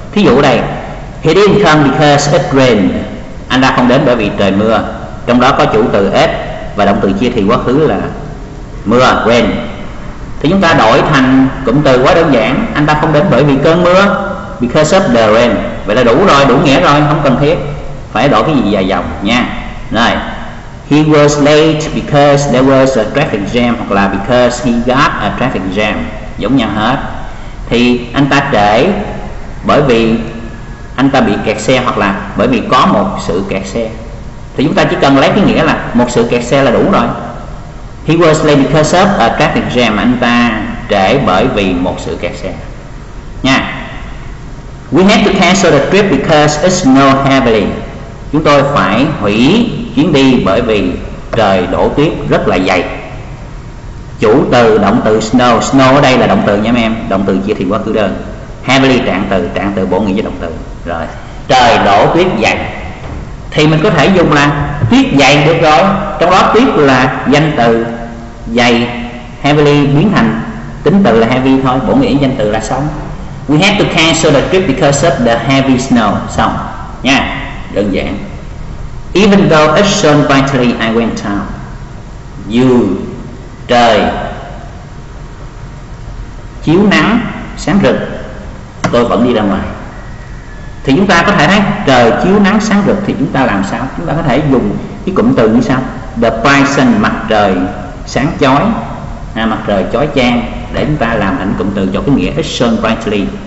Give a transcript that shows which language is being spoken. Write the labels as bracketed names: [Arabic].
[Vietnamese] Thí dụ đây, [English] he didn't come because it rained, [Vietnamese] anh ta không đến bởi vì trời mưa. Trong đó có chủ từ it và động từ chia thì quá khứ là mưa, rain. Thì chúng ta đổi thành cụm từ quá đơn giản, anh ta không đến bởi vì cơn mưa, [English] because of the rain. [Vietnamese] Vậy là đủ rồi, đủ nghĩa rồi, không cần thiết phải đổi cái gì dài dòng nha. [English] Rồi, he was late because there was a traffic jam, [Vietnamese] hoặc là [English] because he got a traffic jam, [Vietnamese] giống nhau hết. Thì anh ta trễ bởi vì anh ta bị kẹt xe, hoặc là bởi vì có một sự kẹt xe. Thì chúng ta chỉ cần lấy cái nghĩa là một sự kẹt xe là đủ rồi. [English] He was late because of a traffic jam, [Vietnamese] anh ta trễ bởi vì một sự kẹt xe nha. [English] We had to cancel the trip because it snowed heavily, [Vietnamese] chúng tôi phải hủy chuyến đi bởi vì trời đổ tuyết rất là dày. Chủ từ động từ snow, snow ở đây là động từ nha em, động từ chia thì quá khứ đơn, heavily trạng từ bổ nghĩa với động từ. Rồi, trời đổ tuyết dày thì mình có thể dùng là tuyết dày được rồi, trong đó tuyết là danh từ, dày heavily biến thành tính từ là heavy thôi, bổ nghĩa danh từ là xong. [English] We had to cancel the trip because of the heavy snow, [Vietnamese] xong nha, đơn giản. [English] Even though it shone brightly, I went out. [Vietnamese] Dù trời chiếu nắng sáng rực, tôi vẫn đi ra ngoài. Thì chúng ta có thể thấy trời chiếu nắng sáng rực thì chúng ta làm sao? Chúng ta có thể dùng cái cụm từ như sau: [English] the bright sun, [Vietnamese] mặt trời sáng chói, mặt trời chói chang, để chúng ta làm thành cụm từ cho cái nghĩa [English] it shone brightly.